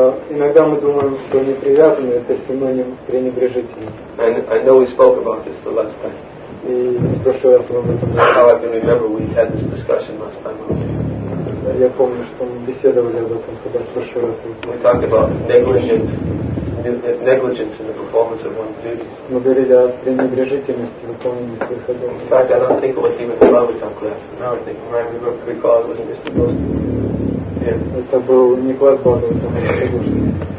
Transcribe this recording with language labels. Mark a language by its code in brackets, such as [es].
[ru] Иногда мы думаем, что непривязанный это синоним пренебрежительный. [en] I know we spoke about this the last time. [ru] И в прошлый раз мы об этом говорили. [en] How I can remember we had this discussion last time. [ru] Я помню, что мы беседовали об этом когда в прошлый раз. [en] We talked about negligent. Negligence in the performance of one's duties. [ru] Мы говорили о пренебрежительности выполнения своих обязанностей. [en] In fact, I don't think it was even the Bhagavatam class. Now I think, recall it was Mr. Bhagavatam. Yeah. [ru] Это был не класс Бхагаватам, это был Бхагаватам.